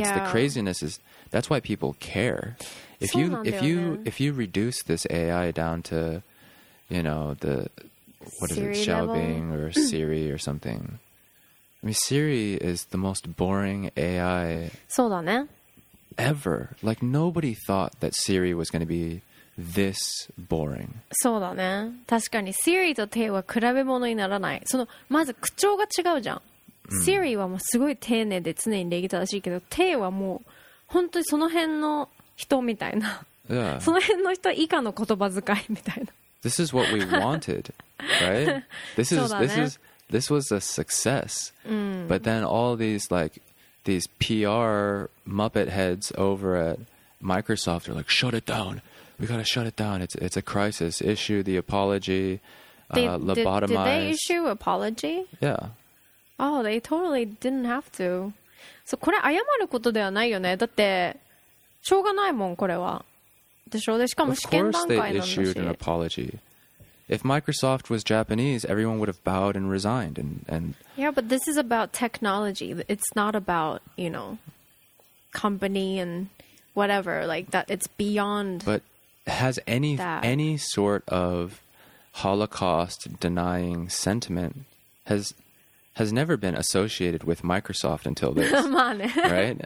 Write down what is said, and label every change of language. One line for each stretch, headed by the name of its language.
English: It's the craziness is that's why people care. If you reduce this AI down to, you know, the what Siri is it, Xiaobing or Siri or something. I mean, Siri is the most boring AI.
Japanese: そうだね。
English: Ever. Like, nobody thought that Siri was going to be this boring.
Japanese: そうだね。確かに、Siri と Tay は比べ物にならない。その、まず口調が違うじゃん。Siri はもうすごい丁寧で常に礼儀正しいけど、Tay はもう本当にその辺の人みたいな。
English: Yeah.
Japanese: その辺の人以下の言葉遣いみたいな。
English: This is what we wanted, right? This is, this was a success. But then all these, like,these PR Muppet heads over at Microsoft are like, shut it down. We got to shut it down. It's a crisis. Issue the apology. Did they issue apology? Yeah. Oh, they totally didn't have to.
Japanese: So, これ謝ることではないよね。だって、しょうがないもん、これは。でしょ？で、しかも試験段階なんだし。
English: Of course they issued an apology. If Microsoft was Japanese, everyone would have bowed and resigned. And yeah, but this is about technology. It's not about, you know, company and whatever. Like, that, it's beyond But has any sort of Holocaust-denying sentiment has never been associated with Microsoft until this, right?